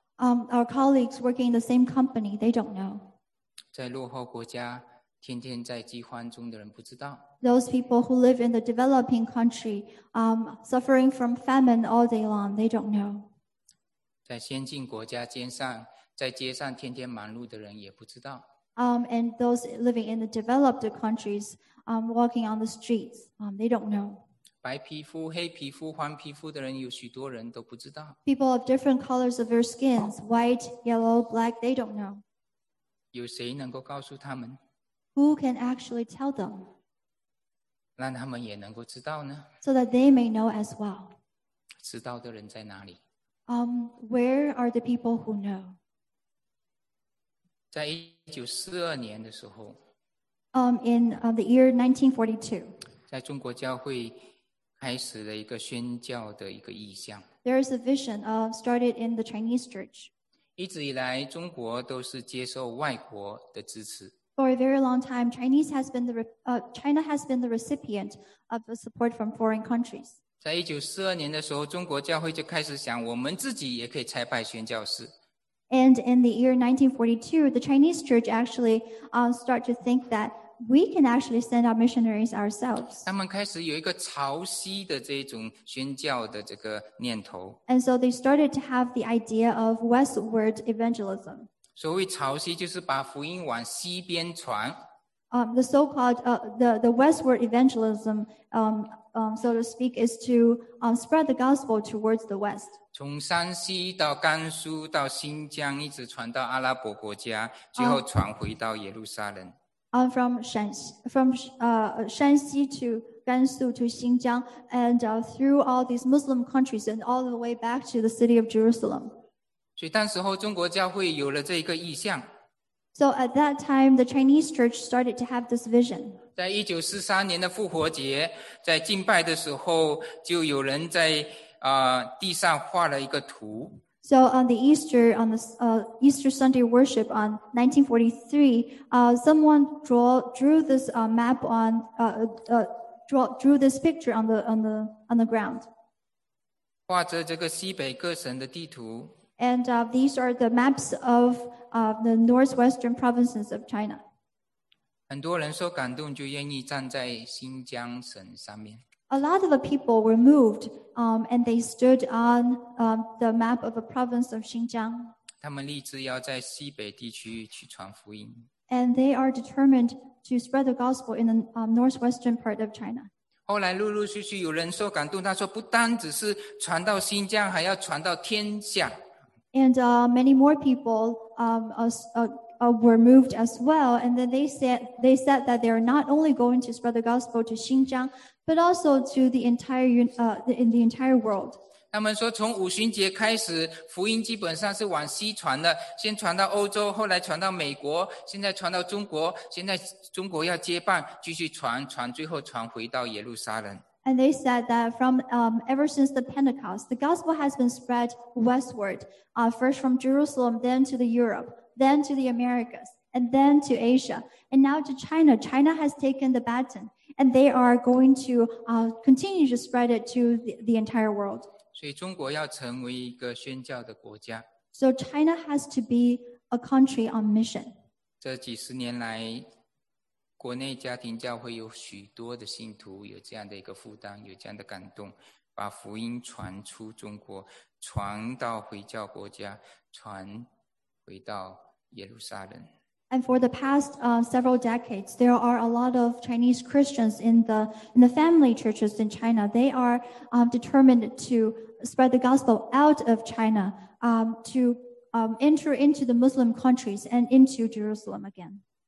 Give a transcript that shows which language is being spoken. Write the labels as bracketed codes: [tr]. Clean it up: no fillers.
[en] Our colleagues working in the same company, they don't know. [zh] 在落后国家天天在饥荒中的人不知道。 [en] Those people who live in the developing country, suffering from famine all day long, they don't know. [zh] 在先进国家街上，在街上天天忙碌的人也不知道。 [en] And those living in the developed countries, walking on the streets, they don't know. [zh] 白皮肤、黑皮肤、黄皮肤的人有许多人都不知道。 [en] People of different colors of their skins, white, yellow, black, they don't know. [zh] 有谁能够告诉他们？ [en] Who can actually tell them? [zh] 让他们也能够知道呢? [en] So that they may know as well. [zh] 知道的人在哪里? [en] Where are the people who know? [zh] 在1942年的时候, [en] In the year 1942, [zh] 在中国教会开始了一个宣教的一个意向。 [en] There is a vision started in the Chinese church. [zh] 一直以来中国都是接受外国的支持。 [en] For a very long time, China has been the recipient of the support from foreign countries. [zh] 在1942年的时候，中国教会就开始想，我们自己也可以差派宣教士。 [en] And in the year 1942, the Chinese church actually started to think that we can actually send out missionaries ourselves. [zh] 他们开始有一个朝西的这种宣教的这个念头。 [en] And so they started to have the idea of westward evangelism. [zh] 所谓朝西就是把福音往西边传。 [en] The so-called the westward evangelism, so to speak, is to spread the gospel towards the west. [zh] 从山西到甘肃到新疆，一直传到阿拉伯国家，最后传回到耶路撒冷。 [en] From Shanxi to Gansu to Xinjiang, and through all these Muslim countries, and all the way back to the city of Jerusalem. [zh] 所以当时候中国教会有了这个意向。 [en] So at that time, the Chinese church started to have this vision. [zh] 在1943年的复活节，在敬拜的时候，就有人在地上画了一个图。 [en] So on the Easter, on the Easter Sunday worship on 1943, someone drew this map on drew this picture on the ground. [zh] 画着这个西北各省的地图。 [en] And these are the maps of the northwestern provinces of China. [zh] 很多人受感动就愿意站在新疆省上面。 [en] A lot of the people were moved, and they stood on the map of a province of Xinjiang. [zh] 他们立志要在西北地区去传福音。 [en] And they are determined to spread the gospel in the northwestern part of China. [zh] 后来陆陆续续有人受感动，他说不单只是传到新疆，还要传到天下。 [en] And many more people were moved as well. And then they said that they are not only going to spread the gospel to Xinjiang, but also to the entire in the entire world. [zh] 他们说从五旬节开始，福音基本上是往西传的，先传到欧洲，后来传到美国，现在传到中国，现在中国要接棒，继续传，最后传回到耶路撒冷。 [en] And they said that from ever since the Pentecost, the gospel has been spread westward, first from Jerusalem, then to the Europe, then to the Americas, and then to Asia, and now to China. China has taken the baton, and they are going to continue to spread it to the entire world. [zh] 所以中国要成为一个宣教的国家。 [en] So China has to be a country on mission. [zh] 这几十年来国内家庭教会有许多的信徒有这样的一个负担，有这样的感动，把福音传出中国，传到回教国家，传回到耶路撒冷。 [en] And for the past several decades, there are a lot of Chinese Christians in the family churches in China. They are determined to spread the gospel out of China, to enter into the Muslim countries and into Jerusalem again.